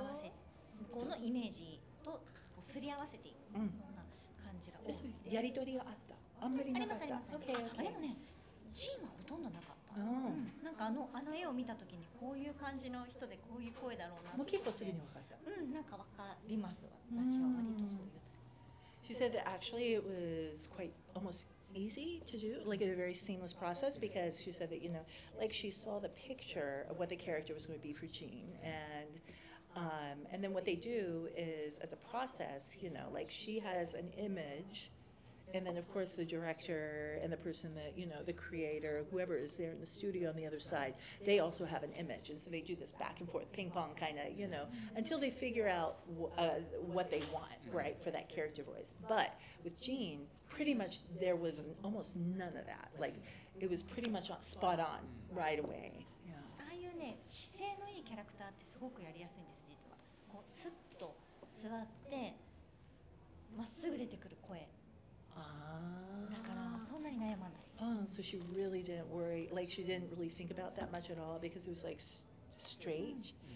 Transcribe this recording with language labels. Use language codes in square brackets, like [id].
[ja] 合わせ向こうのイメージとこうすり合わせていくような感じが多いです、うん、でやり取りがあったあんまりなかった。あります、あります。Okay. でもね、チームはほとんどなかった。なんかあの絵を見たときにこういう感じの人でこういう声だろうなって。もう結構すぐに分かった。うん、なんか分かります。私は割とそういう。 [en] She said that actually it was quite almost easy to do, like a very seamless process, because she said that, you know, like she saw the picture of what the character was going to be for Jean, and then what they do is, as a process, you know, like she has an image,And then, of course, the director and the person that, you know, the creator, whoever is there in the studio on the other side, they also have an image. And so they do this back and forth, ping pong kind of, you know, until they figure out what they want, right, for that character voice. But with Jean, pretty much there was almost none of that. Like, it was pretty much spot on right away. [ja] ああいうね、姿勢のいいキャラクターってすごくやりやすいんです、実は。こう、スッと座って、まっすぐ出てくる声。あだからそんなに [en] Oh, so she really didn't worry, like she didn't really think about that much at all because it was like strange.